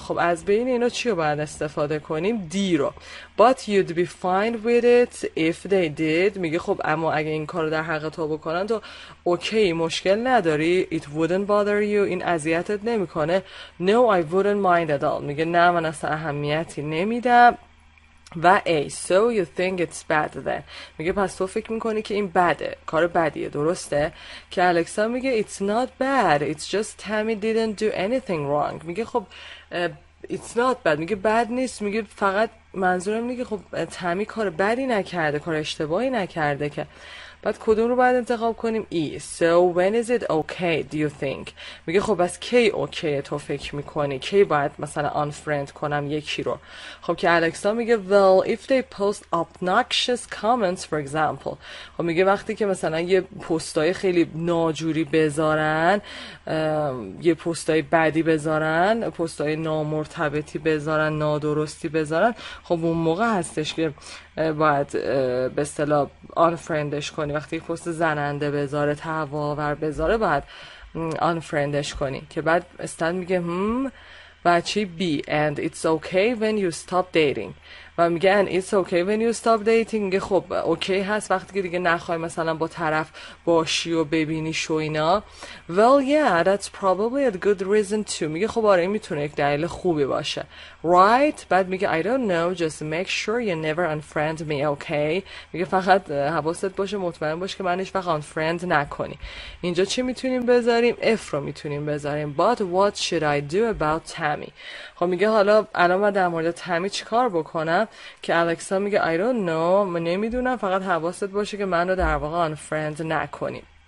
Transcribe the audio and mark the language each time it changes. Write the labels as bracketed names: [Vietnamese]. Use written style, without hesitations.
[Persian] خب از بین اینا چی رو باید استفاده کنیم؟ دی رو. [English] But you'd be fine with it if they did. [Persian] میگه خب اما اگه این کار رو در حق تو بکنن تو اوکی، مشکل نداری؟ [English] It wouldn't bother you. [Persian] این اذیتت نمی کنه. [English] No I wouldn't mind at all. [Persian] میگه نه من اصلا اهمیتی نمیدم. و [English] so you think it's bad then. [Persian] میگه پس تو فکر میکنی که این بده، کار بدیه، درسته؟ که الکسا میگه [English] it's not bad, it's just Tammy didn't do anything wrong. [Persian] میگه خب [English] it's not bad، [Persian] میگه بد نیست، میگه فقط منظورم اینه که خب تمی کار بدی نکرده، کار اشتباهی نکرده. که بعد کدوم رو باید انتخاب کنیم؟ ای. [English] So when is it okay do you think. [Persian] میگه خب از کی اوکیه تو فکر میکنی، کی باید مثلا unfriend کنم یکی رو؟ خب که الکسا میگه [English] well if they post obnoxious comments for example. [Persian] خب میگه وقتی که مثلا یه پستای خیلی ناجوری بذارن، یه پستای بدی بذارن، پستای نامرتبطی بذارن، نادرستی بذارن، خب اون موقع هستش که باید به اصطلاح unfriendش کنی. وقتی یک پست زننده بذاره، تهاجم‌آور بذاره، باید unfriendش کنی. که بعد استن میگه بچی بی [English] and it's okay when you stop dating. [Persian] و میگه [English] and it's okay when you stop dating. [Persian] خب اوکی هست وقتی که دیگه نخوای مثلا با طرف باشی و ببینی شو اینا. [English] Well yeah that's probably a good reason too. [Persian] میگه خب آره میتونه یک دلیل خوبی باشه. [English] Right. [Persian] بعد میگه [English] I don't know just make sure you never unfriend me okay. [Persian] میگه فقط حواست باشه، مطمئن باش که منش وقت unfriend نکنی. اینجا چی میتونیم بذاریم؟ if رو میتونیم بذاریم. [English] But what should I do about Tammy. [Persian] خب میگه حالا الان من در مورد Tammy چیکار بکنم؟ که الکسا میگه [English] I don't know، [Persian] من نمیدونم، فقط حواست باشه که منو در واقع unfriend نکنیم.